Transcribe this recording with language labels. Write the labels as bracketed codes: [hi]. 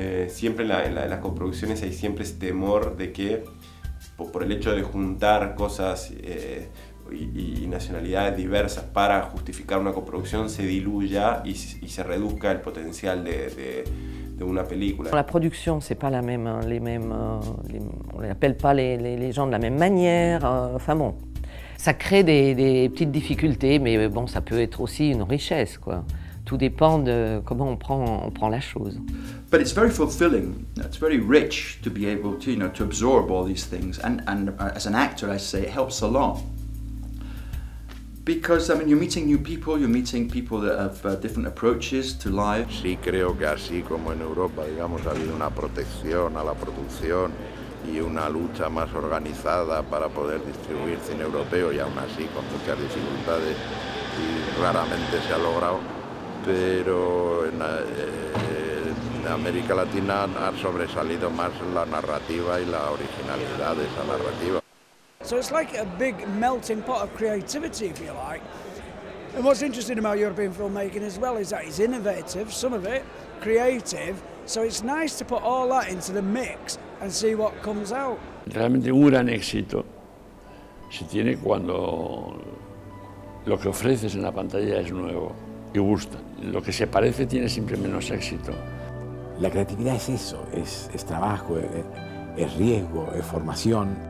[es] Siempre en las coproducciones hay siempre ese temor de que, por el hecho de juntar cosas y nacionalidades diversas para justificar una coproducción, se diluya y se reduzca el potencial de una película. La producción no es la misma, [fr] on les appelle pas les gens de la même manière, enfin bon. Ça crée des petites difficultés, mais bon, ça peut être aussi une richesse, quoi. Tout dépend de comment on prend la chose. [en] But it's very fulfilling. It's very rich to be able to, you know, to absorb all these things. And as an actor, I say, it helps a lot. Because, I mean, you're meeting new people, you're meeting people that have different approaches to life. [es] Sí, creo que así como en Europa, digamos, ha habido una protección a la producción y una lucha más organizada para poder distribuir cine europeo, y aún así con muchas dificultades y raramente se ha logrado. Pero en América Latina ha sobresalido más la narrativa y la originalidad de esa narrativa. [en] So it's like a big melting pot of creativity, if you like. And what's interesting about European filmmaking as well is that it's innovative, some of it creative. So it's nice to put all that into the mix and see what comes out. [es] Realmente un gran éxito se tiene cuando lo que ofreces en la pantalla es nuevo y gusta. Lo que se parece tiene siempre menos éxito. La creatividad es eso, es trabajo, es riesgo, es formación.